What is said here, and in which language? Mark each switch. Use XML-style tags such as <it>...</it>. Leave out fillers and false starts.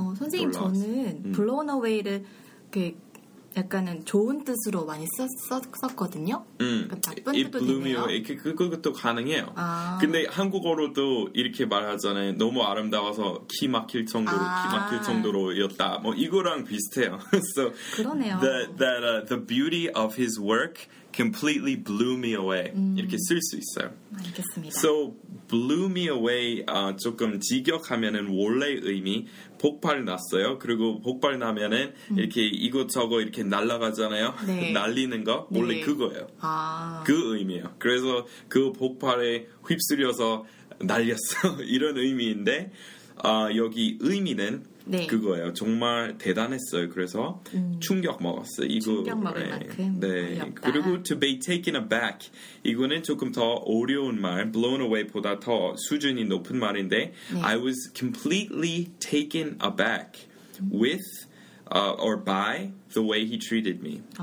<ko>선생님 놀라웠어. 저는 blown away를 약간은 좋은 뜻으로 많이 썼거든요. 그러니까 나쁜 뜻도 되네요. 그것도 가능해요. 아. 근데 한국어로도 이렇게 말하잖아요. 너무 아름다워서 키 막힐 정도로 아. 키 막힐 정도로였다. 뭐 이거랑 비슷해요. So 그러네요.</ko> <en>The beauty of his work completely blew me away.</en> <ko>이렇게 쓸 수 있어요. 알겠습니다.</ko> <en>So blew me away</en> <ko>조금 직역하면은 원래 의미 폭발났어요. 그리고 폭발나면은 이렇게 이것저것 이렇게 날아가잖아요. 네. 날리는 거 원래 네. 그거예요. 아. 그 의미예요. 그래서 그 폭발에 휩쓸려서 날렸어 이런 의미인데 여기 의미는 네. 그거예요. 정말 대단했어요. 그래서 충격 먹었어요. 이거, 충격 먹을 네. 만큼 네. 어렵다. 그리고</ko> <en>to be taken aback.</en> <ko>이거는 조금 더 어려운 말. blown away보다 더 수준이 높은 말인데 네.</ko> <en>I was completely taken aback with or by the way he treated me.</en>